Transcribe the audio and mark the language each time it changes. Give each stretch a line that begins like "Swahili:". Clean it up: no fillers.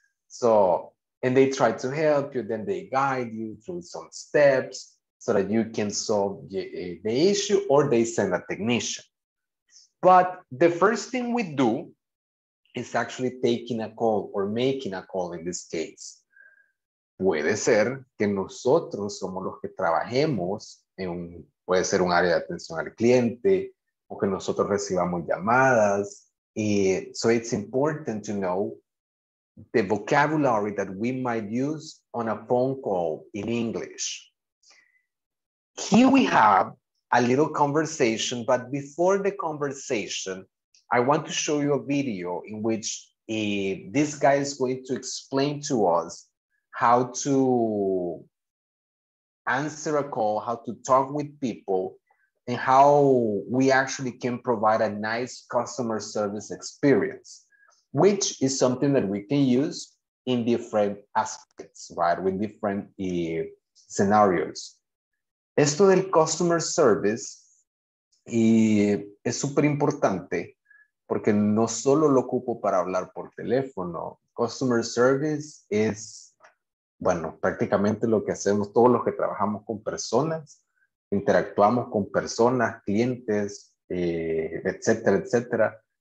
English: So, and they try to help you, then they guide you through some steps so that you can solve the issue, or they send a technician. But the first thing we do is actually taking a call, or making a call in this case.
Spanish: Puede ser que nosotros somos los que trabajemos en un, puede ser un área de atención al cliente, o que nosotros recibamos llamadas.
English: So it's important to know the vocabulary that we might use on a phone call in English. Here we have a little conversation, but before the conversation, I want to show you a video in which this guy is going to explain to us how to answer a call, how to talk with people, and how we actually can provide a nice customer service experience, which is something that we can use in different aspects, right? With different scenarios.
Spanish: Esto del customer service es súper importante porque no solo lo ocupo para hablar por teléfono. Customer service es, bueno, prácticamente lo que hacemos todos los que trabajamos con personas, interactuamos con personas, clientes, etcétera, etcétera.